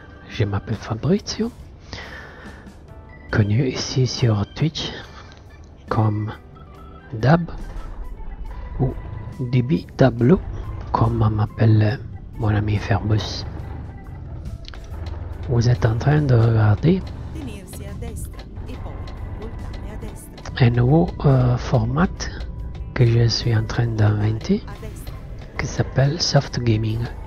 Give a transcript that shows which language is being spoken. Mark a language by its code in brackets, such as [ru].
[fr] Je m'appelle Fabrizio, connu ici sur Twitch comme Dab ou DB Dablo, comme m'appelle mon ami Fairbus. Vous êtes en train de regarder [it] Tenersi a destra e poi voltare a destra. [fr] un nouveau format que je suis en train d'inventer, qui s'appelle Soft Gaming.